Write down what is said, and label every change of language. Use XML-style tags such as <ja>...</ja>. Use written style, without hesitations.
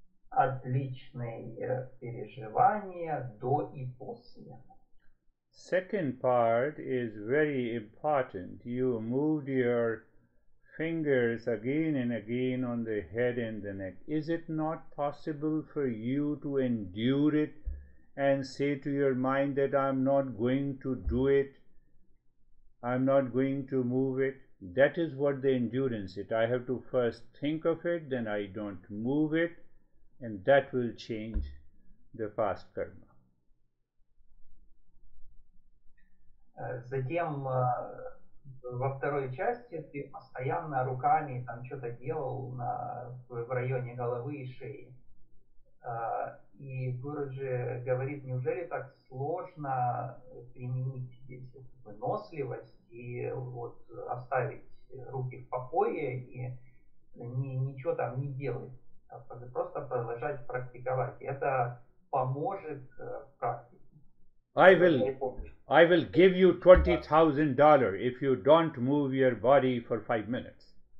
<ru>Отличные переживания до и после.</ru> <en>Second part is very important. You moved your fingers again and again on the head and the neck. Is it not possible for you to endure it and say to your mind that I'm not going to do it, I'm not going to move it? That is what the endurance is. I have to first think of it, then I don't move it, and that will change the past karma.</en> <ru>Затем во второй части ты постоянно руками там что-то делал в районе головы и шеи. И Гуруджи говорит, неужели так сложно применить здесь выносливость и вот оставить руки в покое и ничего там не делать, а просто продолжать практиковать. Это поможет в практике.</ru> <en>I will give you $20,000 if you don't move your body for 5 minutes.</en>